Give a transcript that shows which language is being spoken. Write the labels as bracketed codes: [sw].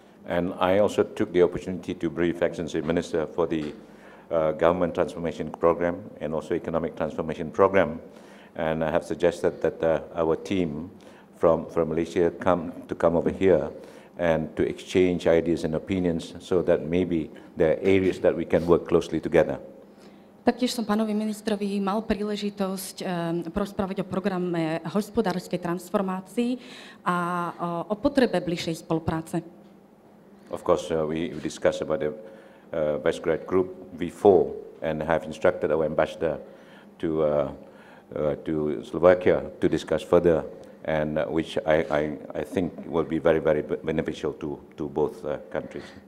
[en] And I also took the opportunity to brief Excellency Minister for the government transformation program and also economic transformation program, and I have suggested that our team from Malaysia come over here and to exchange ideas and opinions so that maybe there are areas that we can work closely together. [sk] Taktiež som pánovi ministrovi mal príležitosť porozprávať o programe hospodárskej transformácii a o potrebe bližšej spolupráce. [en] Of course, we discussed about the Visegrad Group V4 and have instructed our ambassador to Slovakia to discuss further, and which I think will be very, very beneficial to both countries.